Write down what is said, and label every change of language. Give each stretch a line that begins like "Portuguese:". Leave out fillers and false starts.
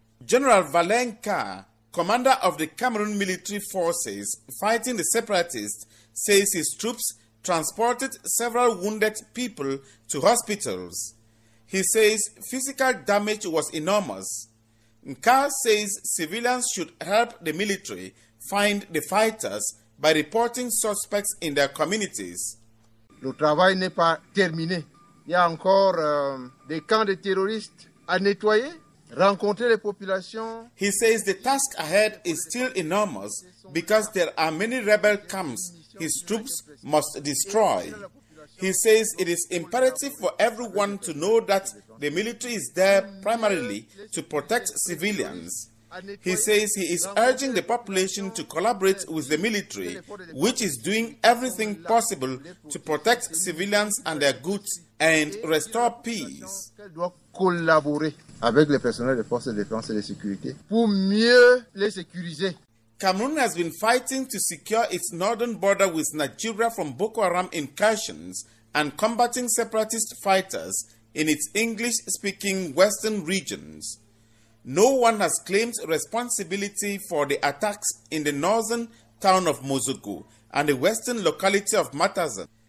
English: General Valenka, commander of the Cameroon military forces fighting the separatists, says his troops transported several wounded people to hospitals. He says physical damage was enormous. Nkar says civilians should help the military find the fighters by reporting suspects in their communities.
French: Le travail n'est pas terminé. Il y a encore des camps de terroristes à nettoyer.
English: He says the task ahead is still enormous because there are many rebel camps his troops must destroy. He says it is imperative for everyone to know that the military is there primarily to protect civilians. He says he is urging the population to collaborate with the military, which is doing everything possible to protect civilians and their goods and restore peace.
French: Avec le personnel des forces de défense et de sécurité pour mieux les sécuriser.
English: Cameroon has been fighting to secure its northern border with Nigeria from Boko Haram incursions and combating separatist fighters in its English-speaking western regions. No one has claimed responsibility for the attacks in the northern town of Mozogu and the western locality of Matazan.